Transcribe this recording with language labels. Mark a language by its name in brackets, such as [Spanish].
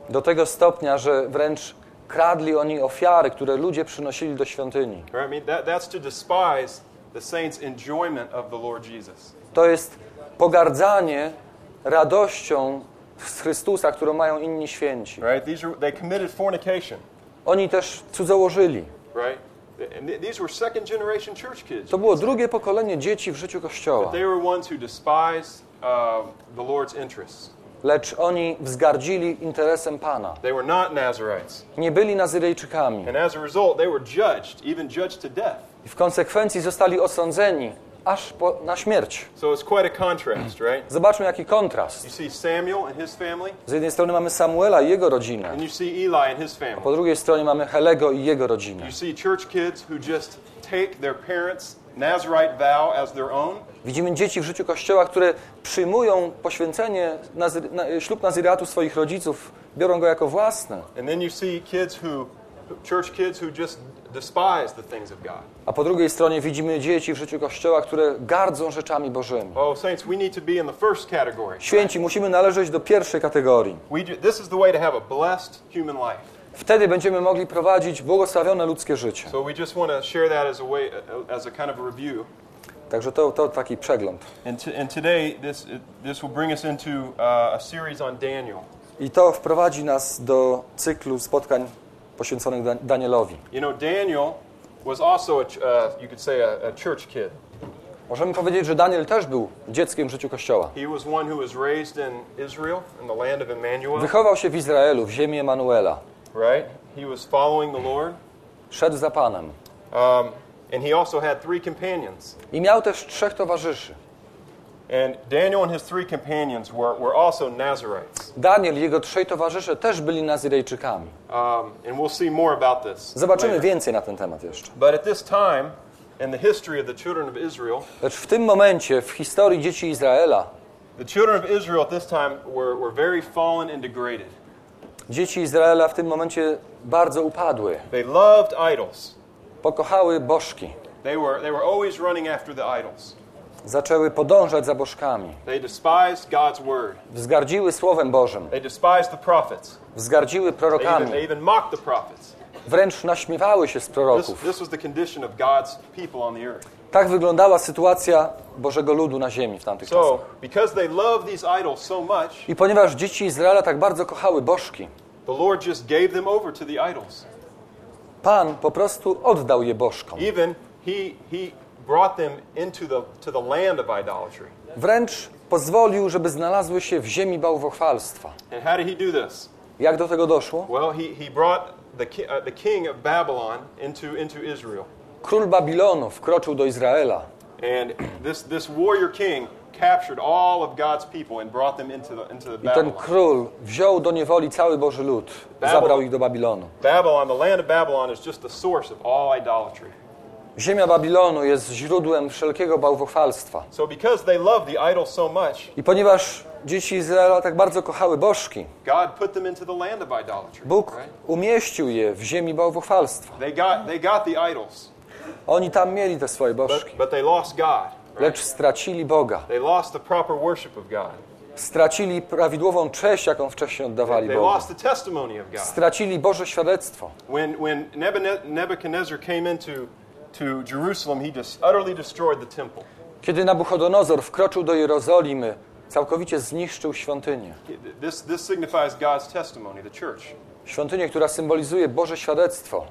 [Polish] Do tego stopnia, że wręcz kradli oni ofiary, które ludzie przynosili do świątyni. [English] Right? I mean, that's to despise the saints' enjoyment of the Lord Jesus. [Polish] To jest pogardzanie radością z Chrystusa, którą mają inni święci. [English] Right? They committed fornication. [Polish] Oni też cudzołożyli. [English] Right? These were second generation church kids. [Polish] To było drugie pokolenie dzieci w życiu kościoła. [English] But they were ones who despised the Lord's interests. [Polish] Lecz oni wzgardzili interesem Pana. [English] They were not Nazarites. [Polish] Nie byli Nazyrejczykami. [English] And as a result, they were judged, even judged to death. [Polish] I w konsekwencji zostali osądzeni aż po, na śmierć. [English] So it's quite a contrast, right? [Polish] Zobaczmy, jaki kontrast. [English] You see Samuel and his family. [Polish] Z jednej strony mamy Samuela i jego rodzinę. [English] And you see Eli and his family. [Polish] A po drugiej stronie mamy Helego i jego rodzinę. [English] You see church kids who just take their parents' Nazarite vow as their own. [Polish] Widzimy dzieci w życiu kościoła, które przyjmują poświęcenie, ślub nazyratu swoich rodziców, biorą go jako własne. [English] And then you see kids who, church kids who just despise the things of God. [Polish] A po drugiej stronie widzimy dzieci w życiu kościoła, które gardzą rzeczami Bożymi. [English] Oh, saints, we need to be in the first category. [Polish] Święci, musimy należeć do pierwszej kategorii. [English] This is the way to have a blessed human life. [Polish] Wtedy będziemy mogli prowadzić błogosławione ludzkie życie. [English] So we just want to share that as a way, as a kind of a review. [Polish] Także to taki przegląd. [English] And today this will bring us into a series on Daniel. [Polish] I to wprowadzi nas do cyklu spotkań poświęconych Danielowi. [English] You know, Daniel was also a church kid. [Polish] Możemy powiedzieć, że Daniel też był dzieckiem w życiu kościoła. [English] He was one who was raised in Israel, in the land of Emmanuel. [Polish] Wychował się w Izraelu, w ziemi Emanuela. [English] Right? He was following the Lord. [Polish] Szedł za Panem. [English] And he also had three companions. [Polish] I miał też trzech towarzyszy. [English] And Daniel and his three companions were also Nazarites. [Polish] Daniel i jego trzej towarzysze też byli Nazyrejczykami. [English] And we'll see more about this. [Polish] Zobaczymy [English] later. [Polish] Więcej na ten temat jeszcze. [English] But at this time in the history of the children of Israel. [Polish] Lecz w tym momencie w historii dzieci Izraela. [English] The children of Israel at this time were very fallen and degraded. [Polish] Dzieci Izraela w tym momencie bardzo upadły. [English] They loved idols. [Polish] Pokochały bożki. [English] They were always running after the idols. [Polish] Zaczęły podążać za bożkami. [English] They despised God's word. [Polish] Wzgardziły Słowem Bożym. [English] They despised the prophets. [Polish] Wzgardziły prorokami. [English] They even mocked the prophets. [Polish] wręcz naśmiewały się z proroków. [English] This was the condition of God's people on the earth. [Polish] Tak wyglądała sytuacja Bożego ludu na ziemi w tamtych czasach. [English] So, because they loved these idols so much, [Polish] i ponieważ dzieci Izraela tak bardzo kochały bożki, [English] the Lord just gave them over to the idols. [Polish] Pan po prostu oddał je bożkom. [English] Even he brought them into to the land of idolatry. [Polish] Wręcz pozwolił, żeby znalazły się w ziemi bałwochwalstwa. [English] And how did he do this? [Polish] Jak do tego doszło? [English] Well, he brought the king of Babylon into Israel. [Polish] Król Babilonu wkroczył do Izraela. [English] And this warrior king captured all of God's people and brought them into Babylon. [Polish] I ten król wziął do niewoli cały Boży lud, zabrał ich do Babilonu. [English] Babylon, the land of Babylon is just the source of all idolatry. [Polish] Ziemia Babilonu jest źródłem wszelkiego bałwochwalstwa. [English] So because they loved the idols so much, [Polish] i ponieważ dzieci Izraela tak bardzo kochały bożki, [English] God put them into the land of idolatry. [Polish] Bóg umieścił je w ziemi bałwochwalstwa. [English] They got the idols. [Polish] Oni tam mieli te swoje bożki. [English] But they lost God. [Polish] Lecz stracili Boga. [English] They lost the proper worship of God. [Polish] Stracili prawidłową cześć, jaką wcześniej oddawali Bogu. [English] They lost the testimony of God. [Polish] Stracili Boże świadectwo. [English] When Nebuchadnezzar came into Jerusalem, he just utterly destroyed the temple. [Polish] Kiedy Nabuchodonozor wkroczył do Jerozolimy, całkowicie zniszczył świątynię. [English] This signifies God's testimony, the church. [Polish] Świątynię, która symbolizuje Boże świadectwo,